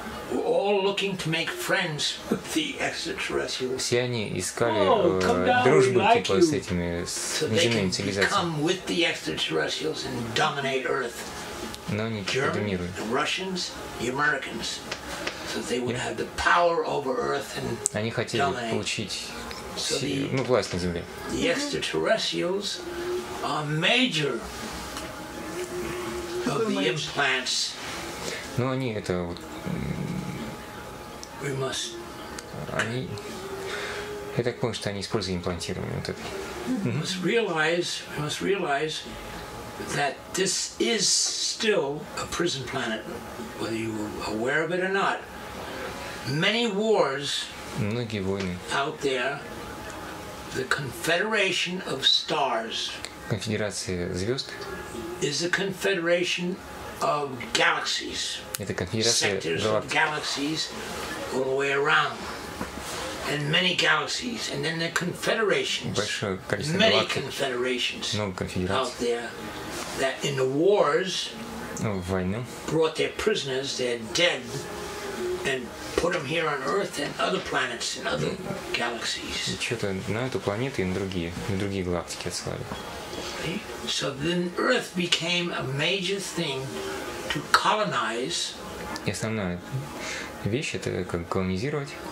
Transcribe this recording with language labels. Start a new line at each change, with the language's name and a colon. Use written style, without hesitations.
English: We're all looking to make friends with the extraterrestrials.
Russian: Все они искали дружбы типа с этими внеземными цивилизациями.
English: Come with the extraterrestrials and dominate Earth.
Russian: Но они доминируют.
English: The Russians, the Americans, so they would have the power over Earth and dominate.
Russian: Они хотели получить власть на Земле.
English: The extraterrestrials are major of the implants.
Russian: Но они это вот.
English: We must.
Russian: Они, я так понял, что они использовали имплантирование вот это.
English: We must realize that this is still a prison planet, whether you are aware of it or not. Many wars.
Russian: Многие войны.
English: Out there, the Confederation of Stars.
Russian: Конфедерация звезд.
English: Is a confederation of galaxies.
Russian: Это конфедерация
English: sectors
Russian: галактик.
English: Of galaxies. All the way around, and many galaxies, and then the confederations, many confederations out there that in the wars brought their prisoners, their dead, and put them here on Earth and other planets and other galaxies.
Russian: Что-то на эту планету и на другие галактики отсылали.
English: So then Earth became a major thing to colonize.
Russian: И основная вещь это как колонизировать.